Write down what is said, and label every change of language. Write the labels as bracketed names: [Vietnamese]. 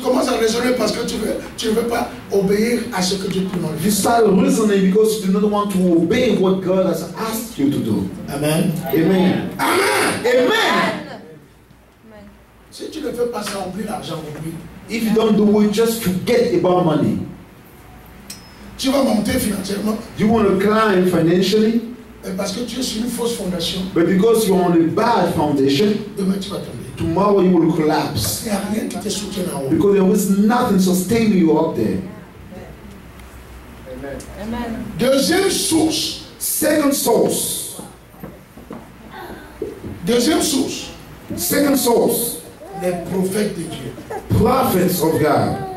[French] commences à raisonner parce que tu veux pas obéir à ce que Dieu te demande. [English] You start reasoning because you do not want to obey what God has asked you to do. Amen. Amen. Amen. Amen. [French] Si tu ne fais pas ça, oublie l'argent, oublie. [English] If you don't do it, just forget about money. [French] Tu vas monter financièrement. [English] You want to climb financially. [French] Et parce que tu es sur une fausse fondation. [English] But because you're on a bad foundation. [French] Demain tu vas tomber. [English] Tomorrow you will collapse. [French] Il y a rien qui te soutient en haut. [English] Because there is nothing sustaining you up there. Amen. [French] Deuxième source. [English] Second source. [French] Deuxième source. [English] Second source. [French] Les prophètes de Dieu. [English] Prophets of God.